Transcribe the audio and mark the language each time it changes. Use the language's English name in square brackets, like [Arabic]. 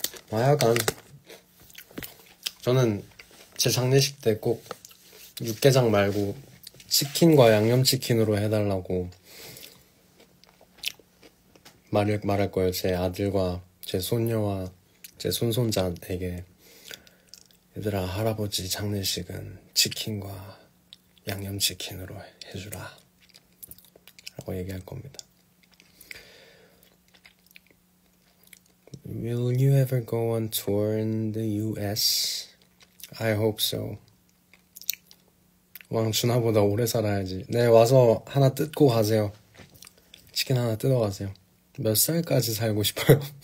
[Korean] 하여간, 저는 제 장례식 때꼭 육개장 말고 치킨과 양념치킨으로 해달라고 말할 거예요. 제 아들과 제 손녀와 제 손손자에게, 얘들아, 할아버지 장례식은 치킨과 양념치킨으로 해주라 라고 얘기할 겁니다. [English] Will you ever go on tour in the US? I hope so. [Korean] 왕 준하보다 오래 살아야지. 네, 와서 하나 뜯고 가세요. 치킨 하나 뜯어 가세요. 몇 살까지 살고 싶어요?